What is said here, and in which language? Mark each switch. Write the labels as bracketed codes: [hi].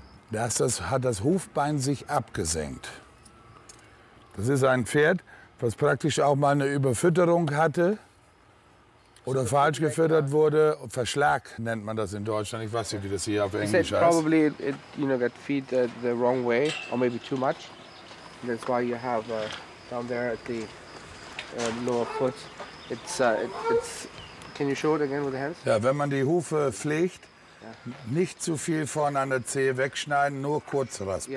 [de] Das hat das Hufbein sich abgesenkt. Das ist ein Pferd, was praktisch auch mal eine Überfütterung hatte. Oder falsch gefüttert wurde, Verschlag nennt man das in Deutschland. Ich weiß nicht, wie das hier auf Englisch heißt. [en] Probably it, you know, got fed the wrong way or maybe too much. That's why you have down there at the lower foot. It's can you show it again with the hands? [de] Ja, wenn man die Hufe pflegt, nicht zu viel vorne an der Zehe wegschneiden, nur kurz raspeln.